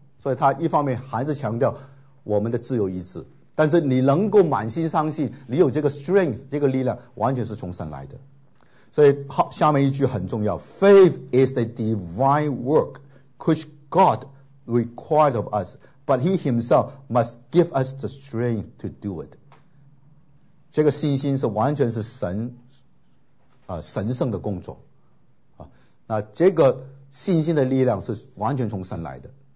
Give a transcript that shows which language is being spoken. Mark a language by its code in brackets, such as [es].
[zh] 所以他一方面还是强调我们的自由意志，但是你能够满心相信，你有这个 strength 这个力量完全是从神来的。所以下面一句很重要， [en] Faith is the divine work which God required of us, but he himself must give us the strength to do it. [zh] 这个信心是完全是神神圣的工作，那这个信心的力量是完全从神来的。